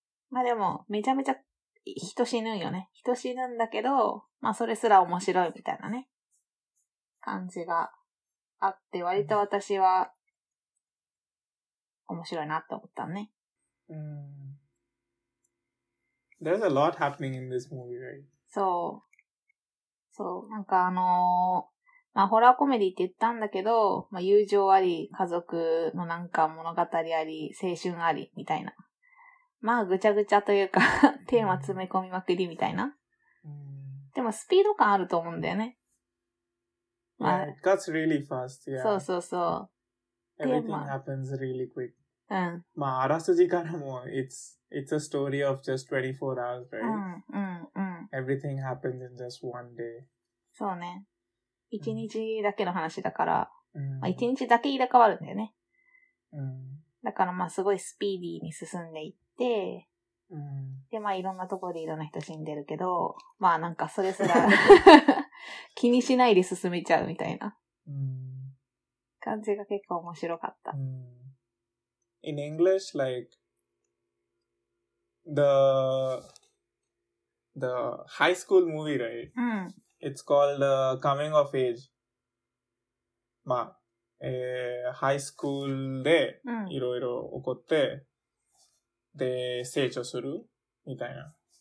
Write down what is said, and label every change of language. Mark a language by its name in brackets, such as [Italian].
[Japanese] まあでも、めちゃめちゃ人死ぬよね。人死ぬんだけど、まあそれすら面白いみたいなね。感じがあって、割と私は面白いなって思ったね。 [English] There's a lot happening in this movie, right? [Japanese] そう。そう。なんかまあ、ホラーコメディって言ったんだけど、まあ、友情あり、家族のなんか物語あり、青春あり、みたいな。まあ、ぐちゃぐちゃというか、テーマ詰め込みまくり、みたいな。でも、スピード感あると思うんだよね。まあ、 [English] yeah, it gets really fast, yeah. [Japanese] そうそうそう。 [English] Everything happens really quick. [Japanese] うん。まあ、あらすじからも、 [English] it's a story of just 24 hours, right? [Japanese] うん、うん、うん。 [English] Everything happens in just one day. [Japanese] そうね。一日だけの話だから、まあ、一日だけ入れ替わるんだよね。だからまあすごいスピーディーに進んでいって、でまあいろんなところでいろんな人死んでるけど、まあなんかそれすら気にしないで進めちゃうみたいな感じが結構面白かった。 [English] In English, like, the high school movie, right? It's called Coming of Age. [Japanese] まあ、ハイスクールでいろいろ起こって、で、成長するみたいな。